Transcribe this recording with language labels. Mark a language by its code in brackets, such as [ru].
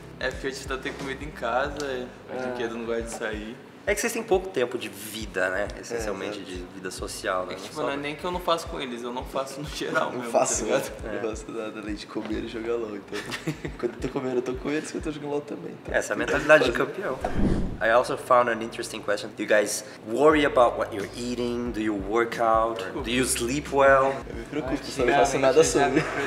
[pt] É porque a gente tá tendo comida em casa, a gente não gosta de sair. É que vocês têm pouco tempo de vida, né? Essencialmente, de vida social, né? É que, tipo, não é nem que eu não faço com eles, eu não faço no geral. Não faço nada. Tá, não faço nada além de comer e jogar LOL. Então, quando eu tô comendo, eu tô com eles, quando eu tô jogando LOL também. Então, essa é a mentalidade de campeão. [en] I also found an interesting question. Do you guys worry about what you're eating? Do you work out? Do you sleep well? [pt] Eu me preocupo, só não faço nada sobre.